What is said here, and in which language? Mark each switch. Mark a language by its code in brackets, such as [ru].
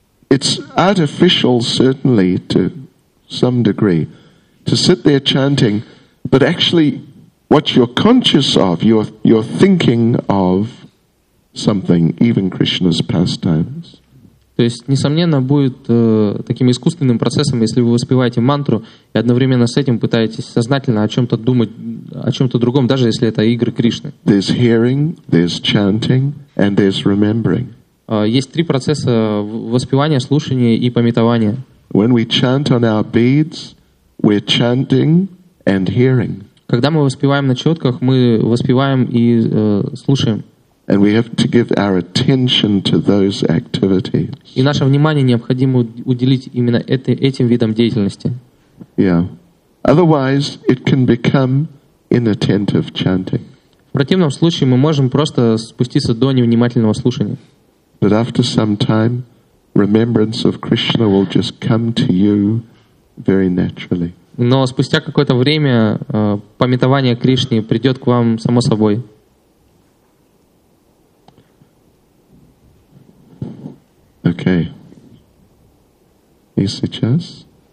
[en] It's artificial, certainly, to some degree, to sit there chanting, but actually, what you're conscious of, you're thinking of something, even Krishna's pastimes. [ru] То есть, несомненно, будет таким искусственным процессом, если вы воспеваете мантру и одновременно с этим пытаетесь сознательно о чем-то думать, о чем-то другом, даже если это игры Кришны. [en] There's hearing, there's chanting, and there's remembering. [ru] Есть три процесса воспевания, слушания и памятования. [en] When we chant on our beads, we're chanting and hearing. [ru] Когда мы воспеваем на четках, мы воспеваем и слушаем. [en] And we have to give our attention to those activities. [ru] И наше внимание необходимо уделить именно этим видам деятельности. [en] Yeah. Otherwise, it can become inattentive chanting. [ru] В противном случае мы можем просто спуститься до невнимательного слушания. [en] But after some time, remembrance of Krishna will just come to you very naturally. [ru] Но спустя какое-то время памятование Кришне придет к вам само собой. Окей. И сейчас?